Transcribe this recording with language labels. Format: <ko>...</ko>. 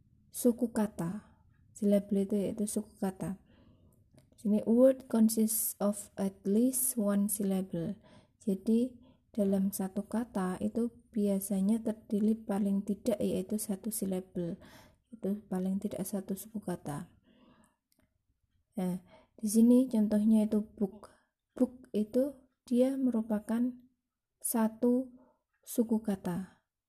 <id>Suku kata, syllable itu yaitu suku kata.</id> <en>Sini word consists of at least one syllable.</en> <id>Jadi dalam satu kata itu biasanya terdiri paling tidak yaitu satu syllable. Itu paling tidak satu suku kata. Nah, di sini contohnya itu book. Book itu dia merupakan satu suku kata.</id>